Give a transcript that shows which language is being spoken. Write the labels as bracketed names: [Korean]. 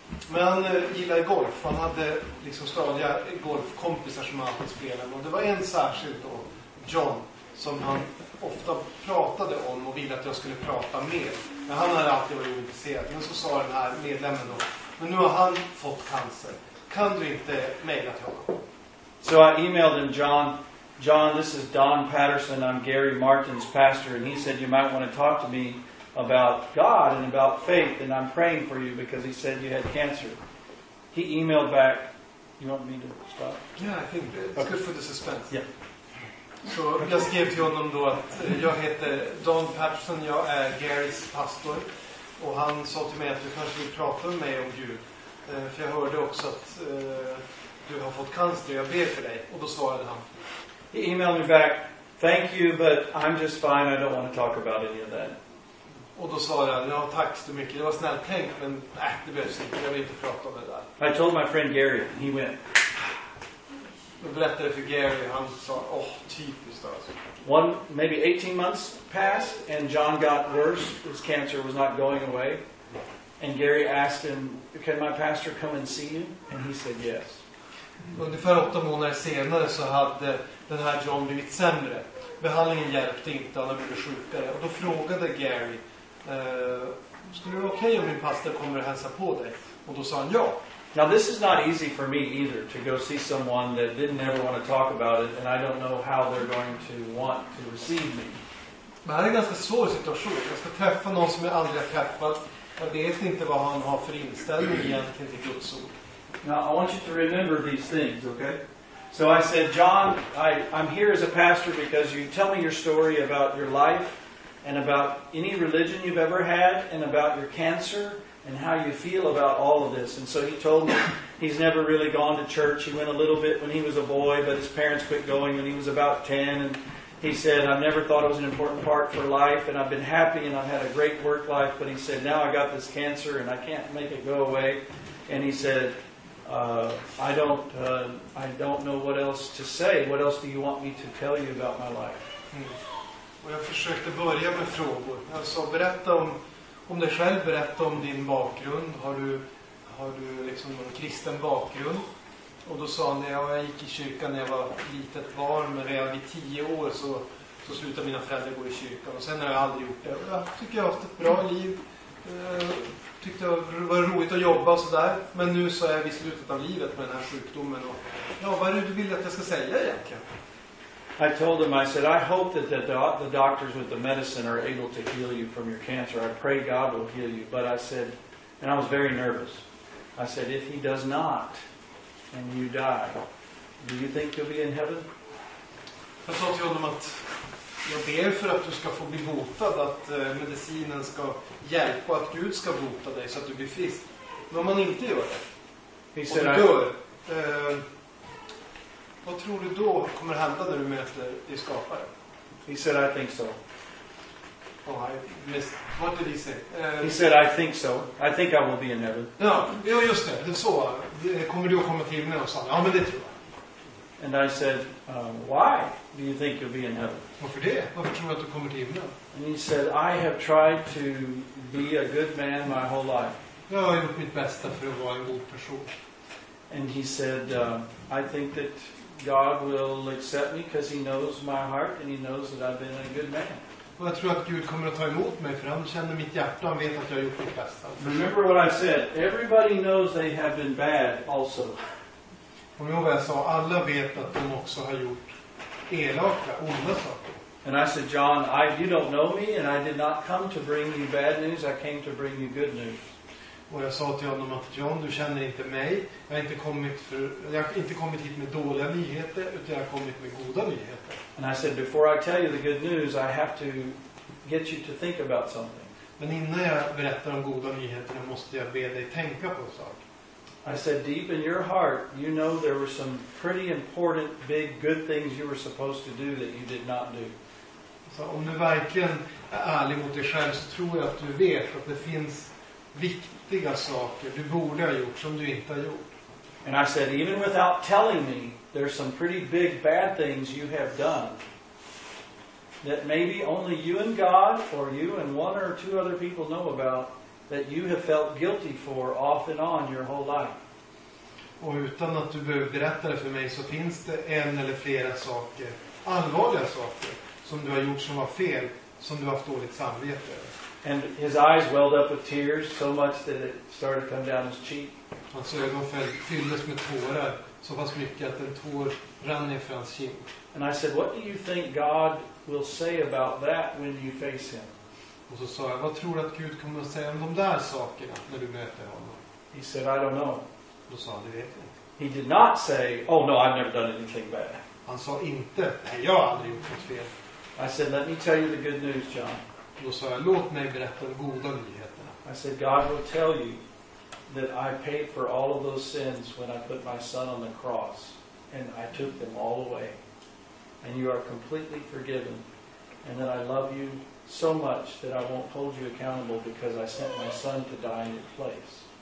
[Swedish] Men han gillade golf. Han hade liksom stadiga golfkompisar som alltid spelade. Och det var en särskild då, John, som han ofta pratade om och ville att jag skulle prata med. Men han hade alltid varit intresserad. Men så sa den här medlemmen då, men nu har han fått cancer. Kan du inte mejla till honom? [English] So I emailed him, John, this is Don Patterson. I'm Gary Martin's pastor. And he said you might want to talk to me about God and about faith. And I'm praying for you because he said you had cancer. He emailed back. You want me to stop? Yeah, I think it's okay. Good for the suspense. Yeah. [Swedish] Så jag skrev till honom då att jag heter Don Patterson, jag är Garys pastor. Och han sa till mig att du kanske vill prata med mig om Gud. För jag hörde också att du har fått cancer, jag ber för dig. Och då svarade han. [English] He emailed me back, thank you, but I'm just fine, I don't want to talk about any of that. [Swedish] Och då svarade han, ja tack så mycket, det var snällt tänkt, men nej, det behövs inte, jag vill inte prata om det där. [English] I told my friend Gary, he went... [Swedish] Jag berättade för Gary, han sa, åh, typiskt alltså. [English] One, maybe 18 months passed and John got worse. His cancer was not going away. And Gary asked him, can my pastor come and see you? And he said yes. [Swedish] Ungefär 8 månader senare så hade den här John blivit sämre. Behandlingen hjälpte inte, han hade blivit sjukare. Och då frågade Gary, skulle det vara okej om min pastor kommer och hälsa på dig? Och då sa han ja. [English] Now this is not easy for me either to go see someone that didn't ever want to talk about it and I don't know how they're going to want to receive me. [Swedish] Men det är en ganska svår situation. Jag ska träffa någon som jag aldrig har träffat. Jag vet inte vad han har för inställning egentligen till Guds ord. [English] Now I want you to remember these things, okay? So I said, John, I'm here as a pastor because you tell me your story about your life and about any religion you've ever had and about your cancer. And how you feel about all of this. And so he told me he's never really gone to church. He went a little bit when he was a boy, but his parents quit going when he was about 10. And He said, I've never thought it was an important part for life, and I've been happy, and I've had a great work life, but he said, now I got this cancer, and I can't make it go away. And he said, I don't know what else to say. What else do you want me to tell you about my life? [Swedish] Och jag försökte börja med frågor. Jag sa, berätta om dig själv, berätta om din bakgrund. Har du liksom en kristen bakgrund? Och då sa han, jag gick i kyrkan när jag var litet barn, men redan vid 10 år så slutade mina föräldrar gå i kyrkan. Och sen har jag aldrig gjort det. Jag tycker jag har haft ett bra liv. Tyckte det var roligt att jobba och sådär. Men nu så är jag vid slutet av livet med den här sjukdomen. Och, ja, vad är det du vill att jag ska säga egentligen? [English] I told him, I said, I hope that the doctors with the medicine are able to heal you from your cancer. I pray God will heal you. But I said, and I was very nervous. I said, if he does not, and you die, do you think you'll be in heaven? [Swedish] Jag sa till honom att jag ber för att du ska få bli botad, att medicinen ska hjälpa, att Gud ska bota dig så att du blir frisk. Men om man inte gör det, [English] he said, [Swedish] och du dör, vad tror du då kommer hända när du möter din skapare? [English] He said, I think so. Oh, I missed. What did he say? He said, I think so. I think I will be in heaven. [Swedish] Ja, just det. Det är så. Kommer du att komma till himlen och sa, ja, men det tror jag. [English] And I said, why do you think you'll be in heaven? [Swedish] Varför det? Varför tror du att du kommer till himlen? [English] And he said, I have tried to be a good man my whole life. [Swedish] Jag har gjort mitt bästa för att vara en god person. [English] And he said, I think that God will accept me because he knows my heart and he knows that I've been a good man. [Swedish] Och jag tror att Gud kommer att ta emot mig, för han känner mitt hjärta och vet att jag har gjort mitt bästa. [English] Remember what I said. Everybody knows they have been bad also. [Swedish] Kom ihåg vad jag sa. Alla vet att de också har gjort elaka, onda saker. [English] And I said, John, you don't know me and I did not come to bring you bad news. I came to bring you good news. [Swedish] Och jag sa till honom att John, du känner inte mig. Jag har inte kommit hit med dåliga nyheter, utan jag har kommit med goda nyheter. [English] And I said, before I tell you the good news, I have to get you to think about something. [Swedish] Men innan jag berättar om goda nyheter, måste jag be dig tänka på en sak. [English] I said, deep in your heart, you know there were some pretty important, big, good things you were supposed to do that you did not do. [Swedish] Så om du verkligen är ärlig mot dig själv, så tror jag att du vet att det finns viktiga saker du borde ha gjort som du inte har gjort. [English] And I said, even without telling me, there's some pretty big bad things you have done that maybe only you and God, or you and one or two other people know about, that you have felt guilty for off and on your whole life. [Swedish] Och utan att du behöver berätta det för mig, så finns det en eller flera saker, allvarliga saker, som du har gjort som var fel, som du har haft dåligt samvete. [English] And his eyes welled up with tears so much that it started to come down his cheek. [Swedish] Hans ögon fylldes med tårar så pass mycket att en tår rann ner för hans kind. [English] And I said, what do you think God will say about that when you face him? [Swedish] Och så sa jag, vad tror du att Gud kommer att säga om de där sakerna när du möter honom? [English] He said, I don't know. [Swedish] Då sa han, det vet jag. [English] He did not say, oh no, I've never done anything bad. [Swedish] Han sa inte, nej, jag har aldrig gjort något fel. [English] I said, let me tell you the good news, John. [Swedish] Då sa jag, låt mig berätta de goda nyheterna. [English] I said, God will tell you that I paid for all of those sins when I put my son on the cross and I took them all away. And you are completely forgiven, and that I love you so much that I won't hold you accountable because I sent my son to die in your place.